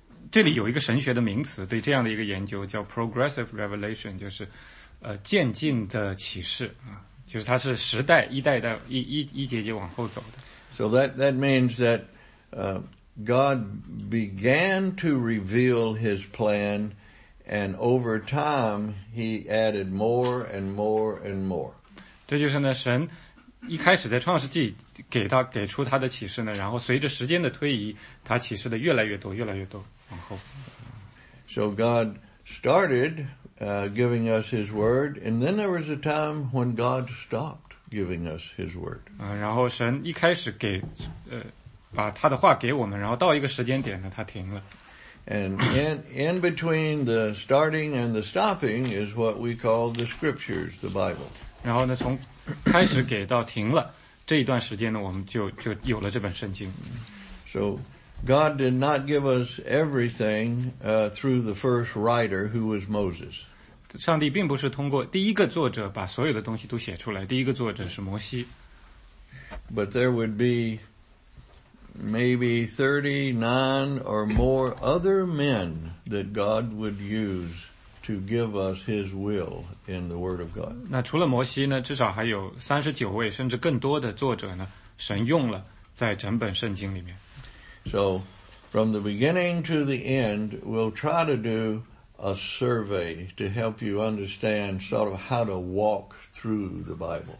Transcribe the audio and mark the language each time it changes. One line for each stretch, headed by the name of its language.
Chinese: 这里有一个神学的名词，对这样的一个研究叫 progressive revelation, 就是渐进的启示啊，就是它是时代一代代一节节往后走的。
English: So that means that, God began to reveal his plan, and over time, he added more and more and more.
Chinese: 这就是呢，神一开始在创世纪给出他的启示呢，然后随着时间的推移，他启示的越来越多，越来越多，往后。
English: So God started, giving us His word, and then there was a time when God stopped giving us His word.
Chinese: 然后神一开始给，把他的话给我们，然后到一个时间点呢，他停了。
English: And in between the starting and the stopping is what we call the scriptures, the Bible.
Chinese: 然后呢，从开始给到停了这一段时间呢，我们就有了这本圣经。
English: So, God did not give us everything, through the first writer who was Moses.
Chinese: 上帝并不是通过第一个作者把所有的东西都写出来，第一个作者是摩西。
English: But there would be maybe 39 or more other men that God would use. To give us His will in the Word of God.
Chinese: 那除了摩西呢，至少还有39位甚至更多的作者呢，神用了在整本圣经里面。
English: So, from the beginning to the end, we'll try to do a survey to help you understand sort of how to walk through the Bible.